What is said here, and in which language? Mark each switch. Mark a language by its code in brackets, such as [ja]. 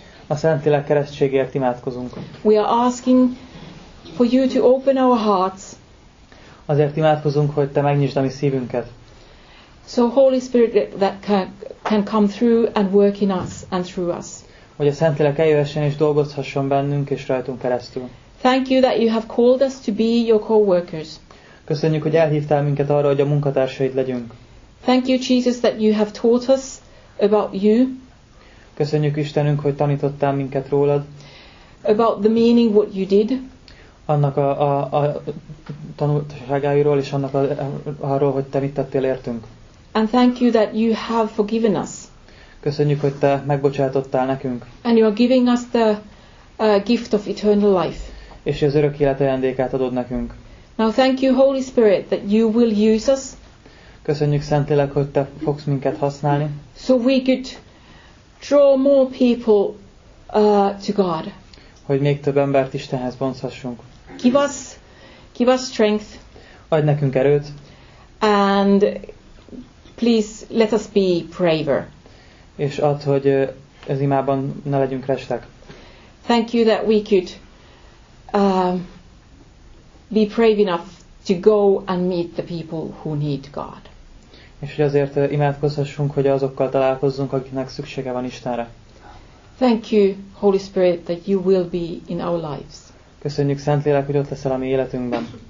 [hu] A Szentlélek keresztségért imádkozunk. [en] We are asking for you to open our hearts. [hu] Azért imádkozunk, hogy te megnyisd a mi szívünket. [en] So Holy Spirit that can come through and work in us and through us. [hu] Hogy a Szentlélek eljöhessen és dolgozhasson bennünk és rajtunk keresztül. [en] Thank you that you have called us to be your co-workers. [hu] Köszönjük, hogy elhívtál minket arra, hogy a munkatársaid legyünk. [en] Thank you, Jesus, that you have taught us about you. [hu] Köszönjük Istenünk, hogy tanítottál minket rólad. [en] About the meaning what you did. [hu] Annak a tanulságáiról és annak arról, hogy te mit tettél értünk. [en] And thank you that you have forgiven us. [hu] Köszönjük, hogy te megbocsátottál nekünk. [en] And you are giving us the gift of eternal life. [hu] És az örök élet ajándékát adod nekünk. [en] Now thank you, Holy Spirit, that you will use us. [hu] Köszönjük Szentlélek, hogy te fogsz minket használni. [en] So we could draw more people to God. [hu] Hogy még több embert Istenhez vonzhassunk. [en] Give us strength. [hu] Adj nekünk erőt. [en] And please let us be braver. [hu] És add, hogy az imában ne legyünk restek. [en] Thank you that we could be brave enough to go and meet the people who need God. [hu] És hogy azért imádkozhassunk, hogy azokkal találkozzunk, akiknek szüksége van Istenre. [en] Thank you, Holy Spirit, that you will be in our lives. [hu] Köszönjük Szentlélek, hogy ott leszel a mi életünkben.